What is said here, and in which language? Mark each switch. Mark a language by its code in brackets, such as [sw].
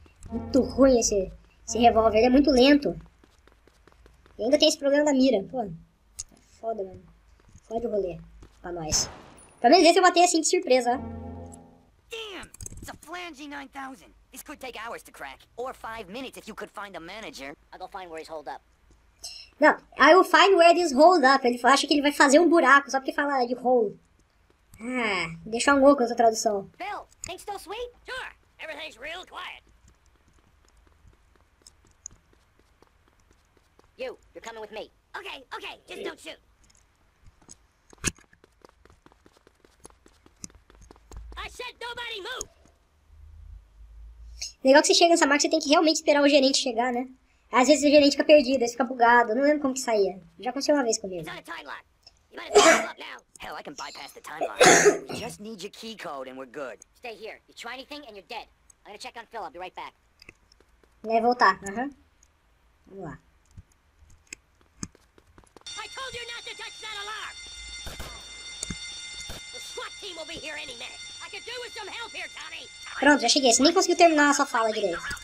[pt] Muito ruim esse revólver, ele é muito lento. E ainda tem esse problema da mira, pô. Foda, mano. Foda o rolê pra nós. Pelo menos esse eu matei assim de surpresa, ó. [en] Damn! It's a flange 9000. This could take hours to crack. Or 5 minutes if you could find a manager. I'll go find where he's holed up. [pt] Não, [en] I will find where he's holed up. [pt] Ele acha que ele vai fazer um buraco, só porque fala de hole. Deixa um louco essa tradução. [en] Phil, think still sweet? Sure. Everything's real quiet. You, you're coming with me. Ok, just don't shoot. I said nobody move. [pt] Legal que você chega nessa marca, você tem que realmente esperar o gerente chegar, né? Às vezes o gerente fica perdido, fica bugado, não lembro como que saía. Já aconteceu uma vez comigo. [en] Hell, I can bypass the time lock. We just need your key code and we're good. Stay here. You try anything and you're dead. I'm gonna check on Phil, I'll be right back. [pt] Vai voltar, aham. Vamos lá. [en] told you not to touch that alarm! The SWAT team will be here any minute. I could do with some help here, Tommy! [pt] Pronto, já cheguei. Você nem conseguiu terminar essa fala direito.